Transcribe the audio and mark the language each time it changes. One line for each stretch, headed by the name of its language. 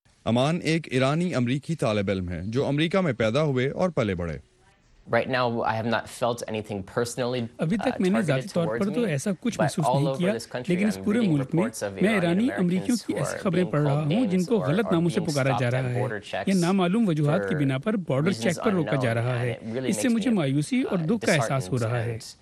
Urdu: امان ایک ایرانی امریکی طالب علم ہے جو امریکہ میں پیدا ہوئے اور پلے بڑھے.
English: Right now I have not felt anything personally.
Urdu: ابھی تک میں نے ذاتی طور پر تو ایسا کچھ محسوس نہیں کیا، لیکن اس پورے ملک میں میں ایرانی امریکیوں کی ایسی خبریں پڑھ رہا ہوں جن کو غلط ناموں سے پکارا جا رہا ہے یا نامعلوم وجوہات کی بنا پر بارڈر چیک پر روکا جا رہا ہے. اس سے مجھے مایوسی اور دکھ کا احساس ہو رہا ہے.